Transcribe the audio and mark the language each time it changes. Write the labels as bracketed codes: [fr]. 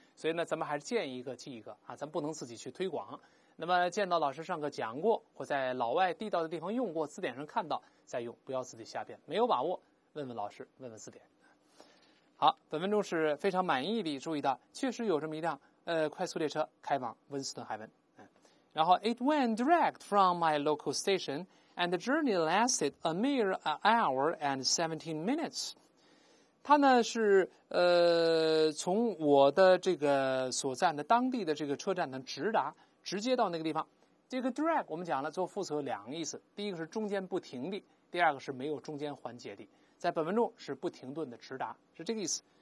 [zh] 所以呢，咱们还是见一个记一个啊，咱不能自己去推广。那么见到老师上课讲过，或在老外地道的地方用过，字典上看到再用，不要自己瞎编。没有把握，问问老师，问问字典。好，本文中是非常满意的，注意到确实有这么一辆快速列车开往温斯顿海温。然后 [en] ，It went direct from my local station, and the journey lasted a mere hour and 17 minutes. [zh] 它呢是从我的这个所在的当地的这个车站呢直接到那个地方。这个 drag 我们讲了做副词有两个意思，第一个是中间不停的，第二个是没有中间环节的，在本文中是不停顿的直达，是这个意思。